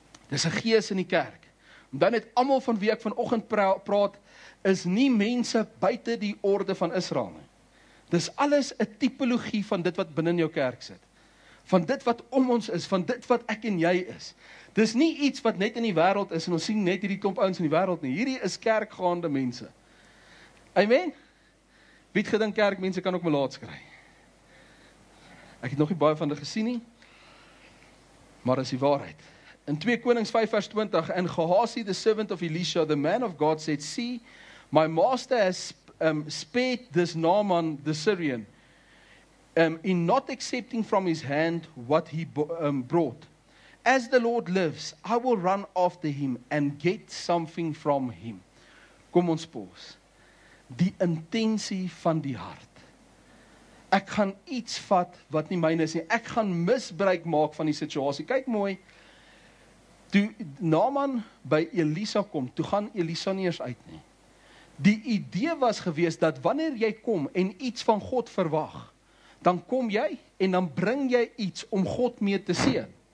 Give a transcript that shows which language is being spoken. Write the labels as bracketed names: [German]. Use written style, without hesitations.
[Afrikaans] Dis 'n gees in die kerk. En dan het almal van wie ek vanoggend praat, is nie mense buite die orde van Israel nie. Dis alles 'n tipologie van dit wat binnen jou kerk sit. Van dit wat om ons is, van dit wat ek en jy is. Dis nie iets wat net in die wêreld is, en ons sien net hierdie klomp ouens in die wêreld nie. Hierdie is kerkgaande mense. Amen? Wie het gedink kerkmense kan ook melaats kry? Ek het nog nie baie van hulle gesien nie, maar is die waarheid. In 2 Konings 5 vers 20, en [English] Gehasi the servant of Elisha, the man of God, said, see, my master has spared this Naaman the Syrian, in not accepting from his hand what he brought. As the Lord lives, I will run after him and get something from him. [Afrikaans] Kom ons pause. Die intentie van die hart. Ek gaan iets vat wat nie myne is nie. Ek gaan misbruik maak van die situasie. Kyk mooi. Toe Naaman by Elisa kom, toe gaan Elisa nie eens uit nie. Die idee was gewees dat wanneer jy kom en iets van God verwag, dan kom jy en dan bring jy iets om God mee te seën.